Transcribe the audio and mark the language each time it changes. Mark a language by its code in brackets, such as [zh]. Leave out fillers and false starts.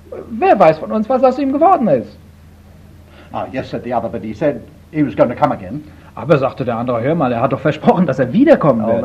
[de] Wer weiß von uns, was aus ihm geworden ist? [en] Ah, yes, said the other, but he said he was going to come again. [de] Aber sagte der andere, hör mal, er hat doch versprochen, dass er wiederkommen wird.